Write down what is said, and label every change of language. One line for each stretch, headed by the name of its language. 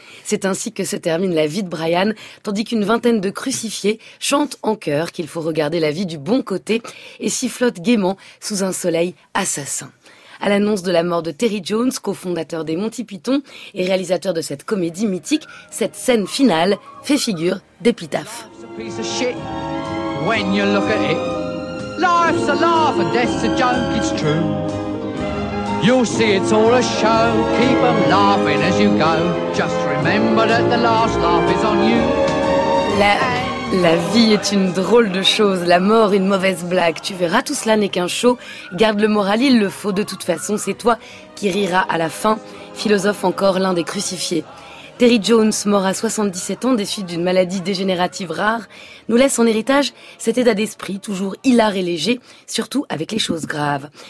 French: C'est ainsi que se termine la vie de Brian, tandis qu'une vingtaine de crucifiés chantent en chœur qu'il faut regarder la vie du bon côté et sifflotent gaiement sous un soleil assassin. À l'annonce de la mort de Terry Jones, cofondateur des Monty Python et réalisateur de cette comédie mythique, cette scène finale fait figure d'épitaphe.
English: Piece of shit when you look at it. Life's a laugh and death's a joke, it's true. You'll see it's all a show. Keep them laughing as you go. Just remember that the last laugh is on you.
French: La vie est une drôle de chose, la mort une mauvaise blague. Tu verras, tout cela n'est qu'un show. Garde le moral, il le faut. De toute façon, c'est toi qui riras à la fin. Philosophe encore l'un des crucifiés. Terry Jones, mort à 77 ans des suites d'une maladie dégénérative rare, nous laisse en héritage cet état d'esprit toujours hilar et léger, surtout avec les choses graves.